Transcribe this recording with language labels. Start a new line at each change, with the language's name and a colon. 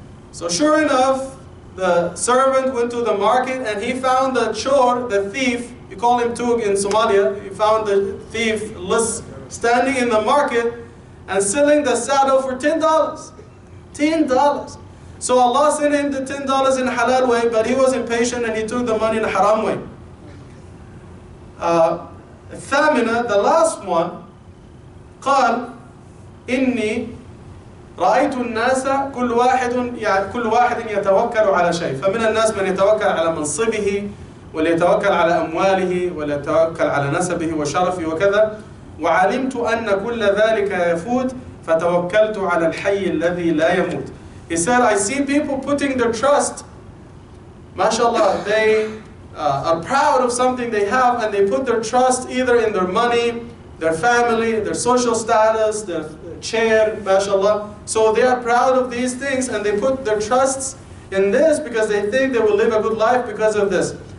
English: So sure enough, the servant went to the market, and he found the chor, the thief, you call him tug in Somalia, he found the thief standing in the market, and selling the saddle for $10. $10. So Allah sent him the $10 in halal way, but he was impatient, and he took the money in haram way.
Arabic: Thamina,
English: the last one,
Arabic: قال إني رأيت الناس كل واحد يتوكل على شيء فمن الناس من يتوكل على منصبه وليتوكل على أمواله وليتوكل على نسبه وشرفه وكذا وعلمت أن كل ذلك يفوت فتوكلت على الحي الذي لا يموت.
English: He said, I see people putting their trust, mashallah, they are proud of something they have, and they put their trust either in their money, their family, their social status, their chair, mashallah. So they are proud of these things, and they put their trusts in this because they think they will live a good life because of this.